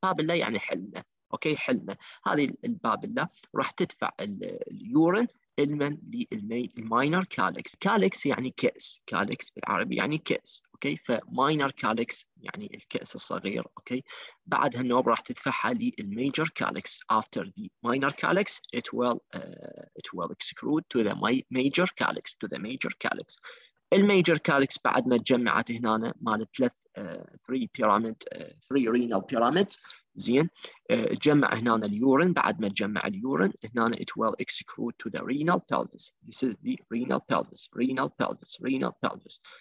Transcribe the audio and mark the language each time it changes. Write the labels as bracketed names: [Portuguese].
[Arabic] Papilla يعني حلمه، اوكي، حلمه. هذه البابيلا راح تدفع اليورين المن للماينر كالكس. كالكس يعني كأس، كالكس بالعربي يعني كأس، اوكي، فماينر كالكس يعني الكأس الصغير، اوكي. بعدها النوب راح تدفعها للميجر كالكس. [English] After the minor calyx it will extrude to the major calyx, to the major calyx. [Arabic] الميجر كالكس بعد ما تجمعت هنا مال ثلاث [English] three pyramid three renal pyramids، [Arabic] زين، جمع هنا اليورين، بعد ما تجمع اليورين هنا [English] it will extrude to the renal pelvis. This is the renal pelvis, renal pelvis, renal pelvis.